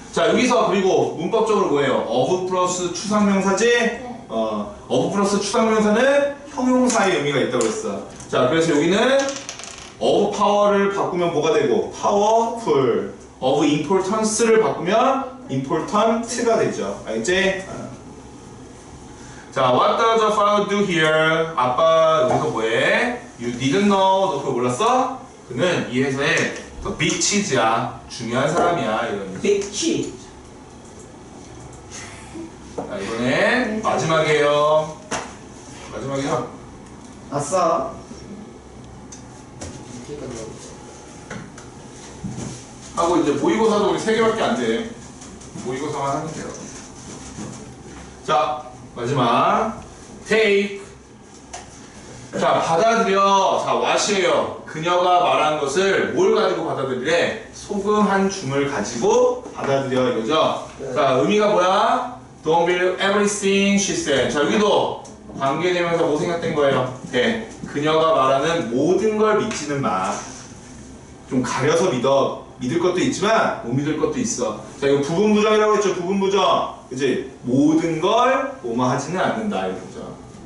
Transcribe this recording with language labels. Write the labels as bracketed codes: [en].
[ko] 자, 여기서 그리고 문법적으로 뭐예요? of 플러스 추상명사지? 네. of 플러스 추상명사는 형용사의 의미가 있다고 했어. 자, 그래서 여기는 of power를 바꾸면 뭐가 되고? powerful. [en] of importance [ko] 를 바꾸면 important가 되죠. 알겠지? [en] 자, what does the father do here? [ko] 아빠 여기서 뭐해? [en] You didn't know. [ko] 너 그걸 몰랐어? 그는 이 회사에 더 [en] big cheese [ko] 야. 중요한 사람이야. 이런. [en] big cheese. [ko] 자, 이번엔 마지막이에요. 마지막이야. 아싸. 하고 이제 모의고사도 우리 3개밖에 안 돼. 모의고사만 하면 돼요. 자, 마지막. take. 자, 받아들여. 자, what이에요? 그녀가 말한 것을 뭘 가지고 받아들이래? 소금 한 줌을 가지고 받아들여. 이거죠? 자, 의미가 뭐야? [en] Don't believe everything she said. [ko] 자, 여기도 관계되면서 뭐 생각된 거예요? 네. 그녀가 말하는 모든 걸 믿지는 마. 좀 가려서 믿어. 믿을 것도 있지만 못 믿을 것도 있어. 자, 이거 부분부정이라고 했죠? 부분부정. 그치? 모든 걸 오마하지는 않는다. 이거죠.